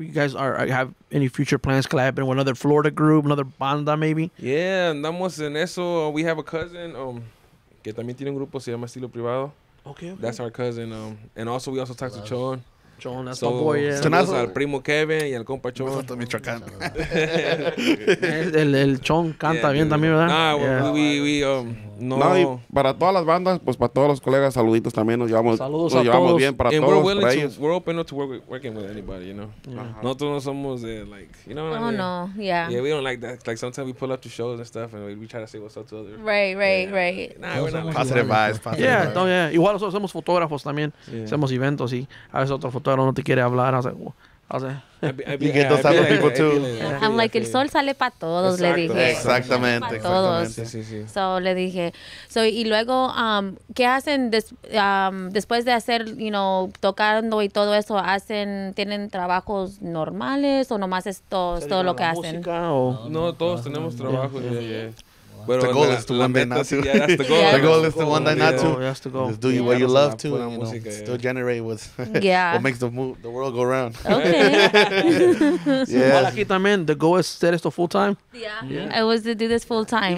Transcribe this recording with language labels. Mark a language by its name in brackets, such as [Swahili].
[English] You guys have any future plans collabing with another Florida group, another banda maybe? [Spanish] Yeah, andamos en eso. [English] We have a cousin [Spanish] que también tiene un grupo, se llama Estilo Privado. [English] Okay. That's our cousin. And also, we also talked to Chon. Chon, that's my boy. Yeah. [Spanish] Saludos al primo Kevin y al compa Chon. Nosotros Michoacán. El Chon canta bien también, ¿verdad? [English] Nah, yeah. we [Spanish] No, y para todas las bandas, pues para todos los colegas, saluditos también, nos llevamos, saludos, nos llevamos bien para todos. [English] We're willing [Spanish] para [English] to, we're open to work with, working with anybody, you know. [Spanish] Uh-huh. Nosotros no somos de, [English] like, you know what oh, I mean? Oh, no, yeah. Yeah, we don't like that. Like, sometimes we pull up to shows and stuff, and we try to say what's up to others. Right, right, yeah. Right. Nah, we're not. Positive vibes, positive vibes. [Spanish] Yeah, no, yeah. Igual nosotros somos fotógrafos también. Yeah. Hacemos eventos, y a veces otro fotógrafo no te quiere hablar, o sea, [English] I'm like, [Spanish] el sol sale para todos, le dije. Exactamente. Para todos. Sí, sí, sí. So, le dije. So, y luego, ¿qué hacen después de hacer, [English] you know, [Spanish] tocando y todo eso? ¿Hacen, tienen trabajos normales o nomás es todo lo que hacen? No, todos tenemos trabajo. [English] The goal is to one day not to. The goal is to one day not to. Just do yeah, what you love to. And, you know, still generate what, yeah. What makes the world go round. Okay. Yeah. Well, [Spanish] aquí también, [English] the goal is to [Spanish] hacer esto [English] full time. Yeah. It was to do this full time.